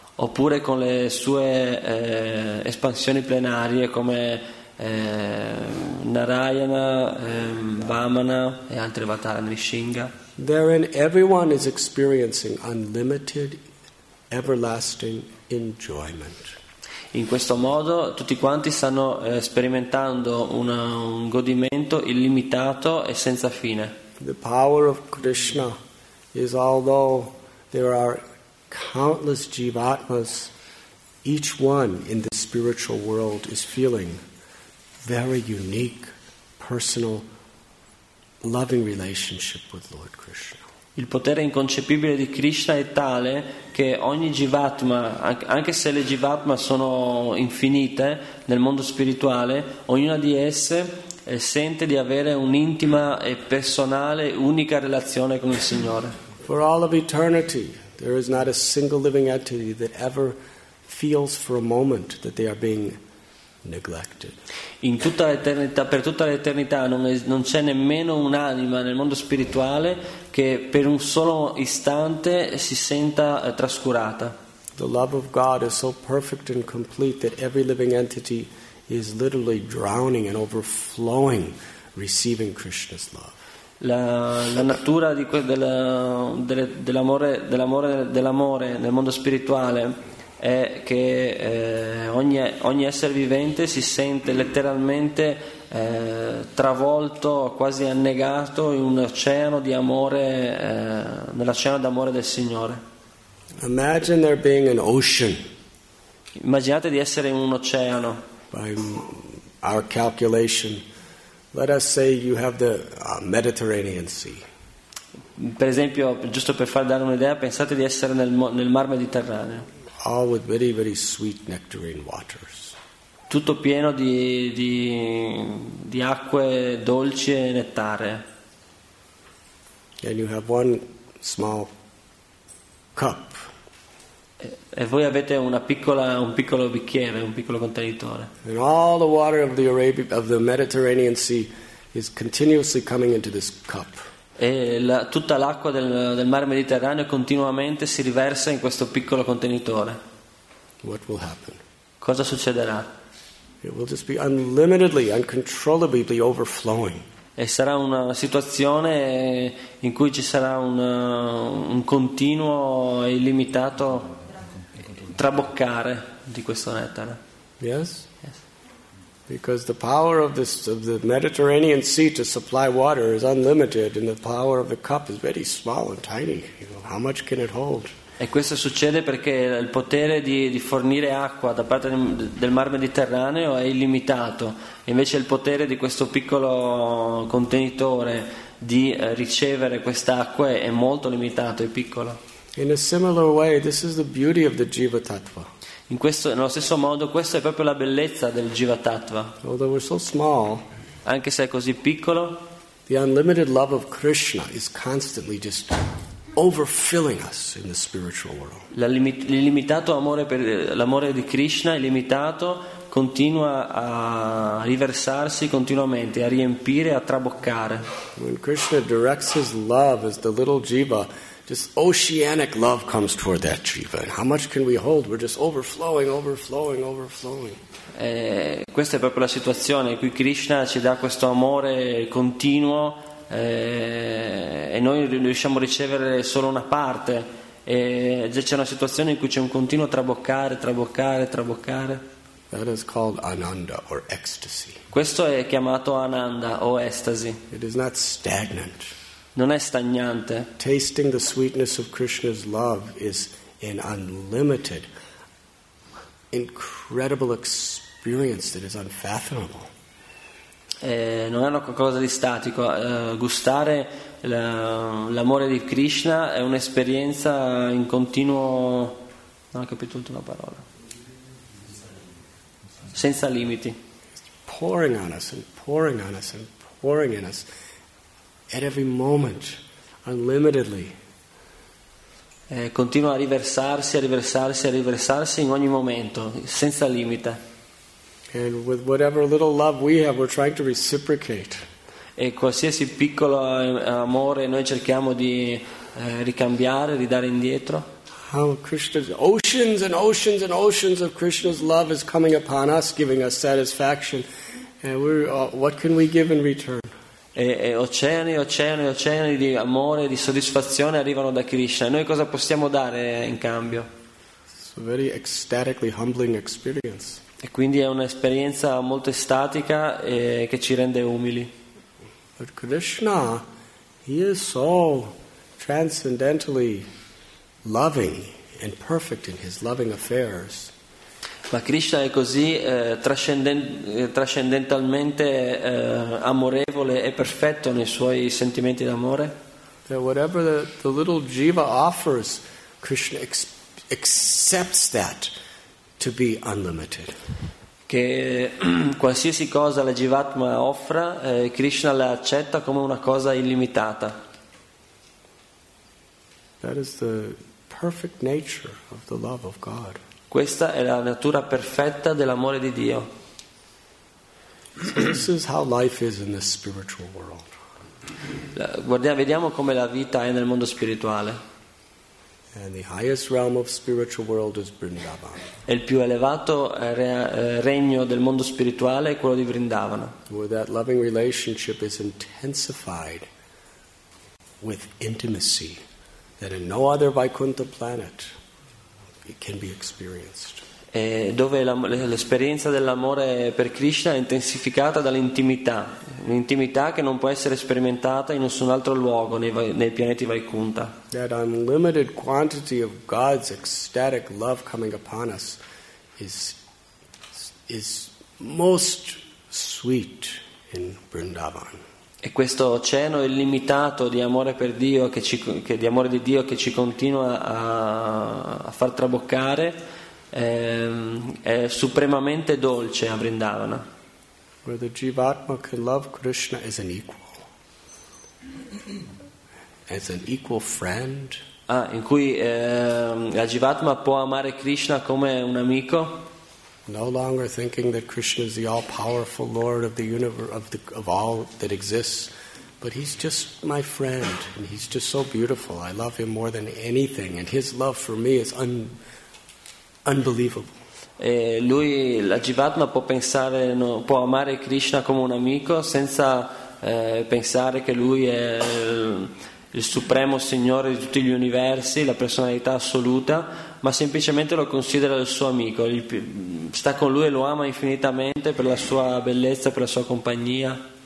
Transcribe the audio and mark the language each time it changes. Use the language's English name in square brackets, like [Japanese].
[Italian] Oppure con le sue espansioni plenarie come Narayana, Vamana e altri avatar, Nrisinga. [English] Therein everyone is experiencing unlimited, everlasting enjoyment. [Italian] In questo modo tutti quanti stanno sperimentando un godimento illimitato e senza fine. [English] The power of Krishna is, although there are countless jivatmas, each one in the spiritual world is feeling very unique, personal, loving relationship with Lord Krishna. [Italian] Il potere inconcepibile di Krishna è tale che ogni jivatma, anche se le jivatma sono infinite nel mondo spirituale, ognuna di esse sente di avere un'intima e personale, unica relazione con il Signore. [English] For all of eternity, there is not a single living entity that ever feels for a moment that they are being neglected. [Italian] In tutta l'eternità, per tutta l'eternità, non c'è nemmeno un'anima nel mondo spirituale che per un solo istante si senta trascurata. [English] The love of God is so perfect and complete that every living entity is literally drowning and overflowing, receiving Krishna's love. [Italian] La natura dell'amore nel mondo spirituale è che ogni essere vivente si sente letteralmente travolto, quasi annegato in un oceano di amore, nell'oceano d'amore del Signore. [English] Imagine there being an ocean. [Italian] Immaginate di essere in un oceano. [English] By our calculation, let us say you have the Mediterranean Sea. [Italian] Per esempio, giusto per far dare un'idea, pensate di essere nel Mar Mediterraneo. [English] All with very, very sweet nectarine waters. [Italian] Tutto pieno di acque dolci e nettare. [English] And you have one small cup. [Italian] E voi avete un piccolo bicchiere, un piccolo contenitore. [English] And all the water of the Arabia, of the Mediterranean Sea is continuously coming into this cup. [Italian] E tutta l'acqua del mare Mediterraneo continuamente si riversa in questo piccolo contenitore. [English] What will happen? [Italian] Cosa succederà? [English] It will just be unlimitedly, uncontrollably overflowing. [Italian] E sarà una situazione in cui ci sarà un continuo e illimitato traboccare di questo nettare. [English] Yes? Because the power of the Mediterranean Sea to supply water is unlimited, and the power of the cup is very small and tiny. How much can it hold? [Italian] E questo succede perché il potere di fornire acqua da parte del Mar Mediterraneo è illimitato. Invece il potere di questo piccolo contenitore di ricevere quest'acqua è molto limitato, è piccolo. [English] In a similar way, this is the beauty of the Jiva Tattva. [Italian] Nello stesso modo, questa è proprio la bellezza del Jiva Tattva. [English] Although we're so small, [Italian] anche se è così piccolo, [English] the unlimited love of Krishna is constantly just overfilling us in the spiritual world. [Italian] L'illimitato amore per l'amore di Krishna, illimitato, continua a riversarsi continuamente, a riempire, a traboccare. [English] When Krishna directs his love as the little jiva, just oceanic love comes toward that jiva. How much can we hold? We're just overflowing, overflowing, overflowing. [Italian] Questa è proprio la situazione in cui Krishna ci dà questo amore continuo, e noi riusciamo a ricevere solo una parte. E c'è una situazione in cui c'è un continuo traboccare, traboccare, traboccare. [English] That is called ananda or ecstasy. [Italian] Questo è chiamato ananda o estasi. [English] It is not stagnant. [Italian] Non è stagnante. [English] Tasting the sweetness of Krishna's love is an unlimited, incredible experience that is unfathomable. [Italian] Non è una qualcosa di statico. Gustare l'amore di Krishna è un'esperienza in continuo. Non ho capito l'ultima parola. Senza limiti. [English] Pouring on us and pouring on us and pouring in us at every moment, unlimitedly. [Italian] Continua a riversarsi, a riversarsi, a riversarsi in ogni momento, senza limite. [English] And with whatever little love we have, we're trying to reciprocate. [Italian] E qualsiasi piccolo amore noi cerchiamo di ricambiare, di dare indietro. [English] How Krishna's oceans and oceans and oceans of Krishna's love is coming upon us, giving us satisfaction. And we're, what can we give in return? [Italian] E oceani, oceani, oceani di amore, di soddisfazione arrivano da Krishna. Noi cosa possiamo dare in cambio? [English] It's a very ecstatically humbling experience. [Italian] E quindi è un'esperienza molto estatica e che ci rende umili. [English] But Krishna, he is so transcendentally loving and perfect in his loving affairs. [Italian] Ma Krishna è così trascendentalmente amorevole e perfetto nei suoi sentimenti d'amore. [English] That whatever the little jiva offers, Krishna accepts that to be unlimited. [Italian] Che qualsiasi cosa la jivatma offra, Krishna la accetta come una cosa illimitata. [English] That is the perfect nature of the love of God. [Italian] Questa è la natura perfetta dell'amore di Dio. [English] This is how life is in the spiritual world. [Italian] Guardiamo, vediamo come la vita è nel mondo spirituale. [English] And the highest realm of spiritual world is Vrindavan. [Italian] E il più elevato regno del mondo spirituale è quello di Vrindavana. [English] Where that loving relationship is intensified with intimacy that in no other Vaikuntha planet it can be experienced. [Italian] E dove l'esperienza dell'amore per Krishna è intensificata dall'intimità, un'intimità che non può essere sperimentata in nessun altro luogo nei pianeti Vaikuntha. [English] That unlimited quantity of God's ecstatic love coming upon us is most sweet in Vrindavan. [Italian] E questo oceano illimitato di amore per Dio di amore di Dio che ci continua a far traboccare è supremamente dolce a Vrindavana. [English] Where the jivatma can love Krishna as an equal, as an equal friend. [Italian] Ah, in cui la jivatma può amare Krishna come un amico. [English] No longer thinking that Krishna is the all-powerful Lord of the universe, of all that exists, but he's just my friend, and he's just so beautiful. I love him more than anything, and his love for me is unbelievable. [Italian] E lui, la jivatma, può pensare, no, può amare Krishna come un amico senza pensare che lui è il supremo Signore di tutti gli universi, la personalità assoluta, ma semplicemente lo considera il suo amico, sta con lui e lo ama infinitamente per la sua bellezza, per la sua compagnia.